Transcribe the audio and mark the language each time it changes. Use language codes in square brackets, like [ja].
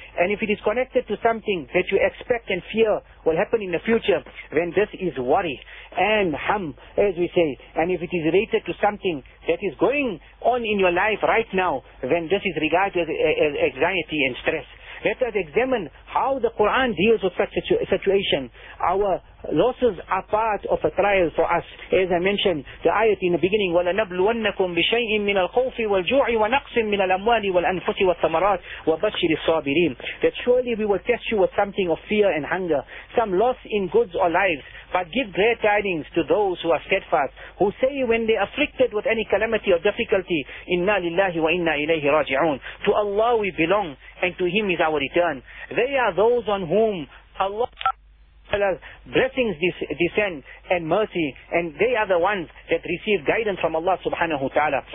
[en] And if it is connected to something that you expect and fear will happen in the future, then this is worry and ham, as we say. And if it is related to something that is going on in your life right now, then this is regarded as anxiety and stress. Let us examine how the Quran deals with such a situation. Our losses are part of a trial for us. As I mentioned, the ayat in the beginning, [ar] وَلَنَبْلُوَنَّكُمْ بِشَيْءٍ مِّنَ الْخَوْفِ وَالْجُوعِ وَنَقْصٍ مِّنَ الْأَمْوَالِ وَالْأَنفُسِ وَالثَّمَرَاتِ وَبَشِّرِ الصَّابِرِينَ. [en] That surely we will test you with something of fear and hunger, some loss in goods or lives, but give great tidings to those who are steadfast, who say when they are afflicted with any calamity or difficulty, [ar] إِنَّا لِلَّهِ وَإِنَّا إِلَيْهِ رَاجِعُونَ. [en] To Allah we belong, and to Him is our return. They are those on whom Allah blessings descend and mercy, and they are the ones that receive guidance from Allah subhanahu wa ta'ala.